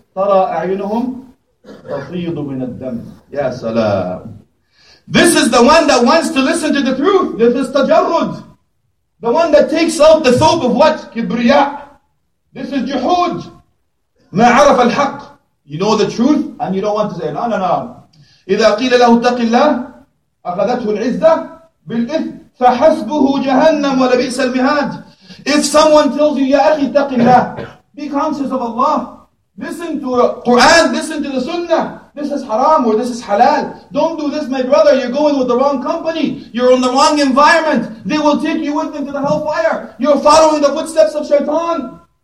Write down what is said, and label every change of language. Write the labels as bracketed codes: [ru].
[ar] تَرَى أَعْيُنُهُمْ تَفِيضُ مِنَ الدَّمِ يَا سَلَامُ. [en] This is the one that wants to listen to the truth. This is tajarrud. The one that takes out the thawb of what? Kibriya. This is juhud. [ar] مَا عَرَفَ الْحَقِّ. [en] You know the truth and you don't want to say, no, no, no. [ar] إذا قيل له اتق الله أخذته العزة بالإثم فحسبه جهنم ولبئس المهاد. [en] If someone tells you, [ar] يَا أَخِي اتَّقِ اللَّهِ, [en] be conscious of Allah. Listen to Quran, listen to the Sunnah. This is haram or this is halal. Don't do this, my brother. You're going with the wrong company. You're in the wrong environment. They will take you with them to the hellfire. You're following the footsteps of shaitan.